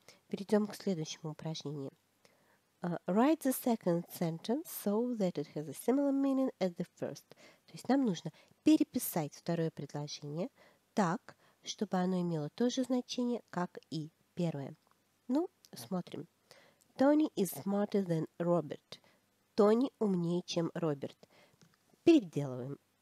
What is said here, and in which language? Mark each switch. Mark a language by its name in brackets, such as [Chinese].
[Russian] Перейдем к следующему упражнению. [English] Write the second sentence so that it has a similar meaning as the first. [Russian] То есть нам нужно переписать второе предложение так, чтобы оно имело то же значение, как и первое. Ну, смотрим. [English] Tony is smarter than Robert. [Russian] Тони умнее, чем Роберт. Переделываем.